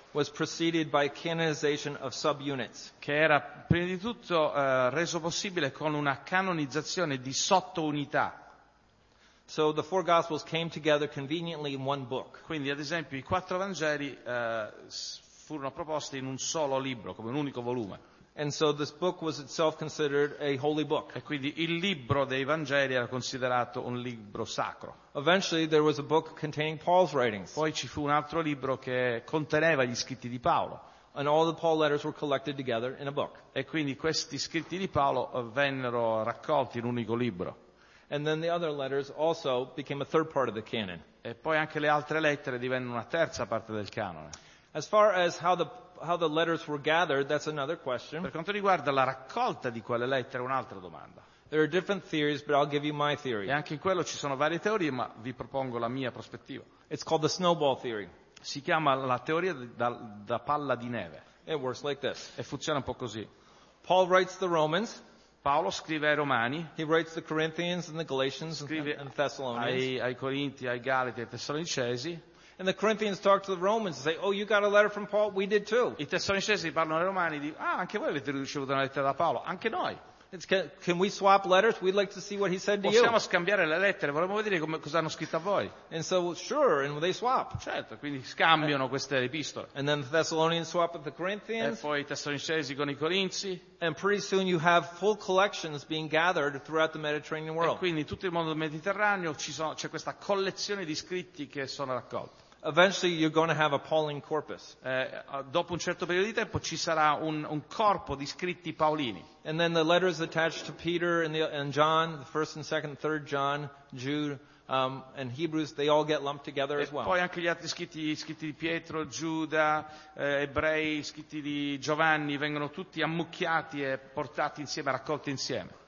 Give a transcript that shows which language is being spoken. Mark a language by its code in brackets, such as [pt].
[en] was preceded by canonization of subunits, [it] che era prima di tutto reso possibile con una canonizzazione di sottounità. [en] So the four gospels came together conveniently in one book. [it] Quindi ad esempio i quattro Vangeli furono proposti in un solo libro, come un unico volume. [en] And so this book was itself considered a holy book. [it] E quindi il libro dei Vangeli era considerato un libro sacro. [en] Eventually there was a book containing Paul's writings. [it] Poi ci fu un altro libro che conteneva gli scritti di Paolo. [en] And all the Paul letters were collected together in a book. [it] E quindi questi scritti di Paolo vennero raccolti in un unico libro. [en] And then the other letters also became a third part of the canon. [it] E poi anche le altre lettere divennero una terza parte del canone. [en] As far as how the letters were gathered, that's another question. [it] Per quanto riguarda la raccolta di quelle lettere, un'altra domanda. [en] There are different theories, but I'll give you my theory. [it] E anche in quello ci sono varie teorie, ma vi propongo la mia prospettiva. [en] It's called the snowball theory. [it] Si chiama la teoria da palla di neve. [en] It works like this. [it] E funziona un po' così. [en] Paul writes the Romans. [it] Paolo scrive ai Romani. [en] He writes the Corinthians and the Galatians and Thessalonians. [it] Ai Corinti, ai Galati, ai Tessalonicesi. [en] And the Corinthians talk to the Romans and say, "Oh, you got a letter from Paul? We did too." [it] I Tessalonicesi parlano ai Romani e dicono, "Ah, anche voi avete ricevuto una lettera da Paolo? Anche noi." [en] Can we swap letters? We'd like to see what he said to you. [it] Possiamo scambiare le lettere? Vorremmo vedere cosa hanno scritto a voi. [en] And so, sure, and they swap. [it] Certo, quindi scambiano queste epistole. [en] And then the Thessalonians swap with the Corinthians. [it] E poi i Tessalonicesi con i Corinzi. [en] And pretty soon you have full collections being gathered throughout the Mediterranean world. [it] E quindi tutto il mondo mediterraneo c'è questa collezione di scritti che sono raccolti. [en] Eventually you're going to have a Pauline corpus. [it] Dopo un certo periodo di tempo ci sarà un corpo di scritti paolini. [en] And then the letters attached to Peter and John, the first and second, third John, Jude, and Hebrews, they all get lumped together as well. [it] E poi anche gli altri scritti di Pietro, Giuda, Ebrei, scritti di Giovanni vengono tutti ammucchiati e portati insieme, raccolti insieme.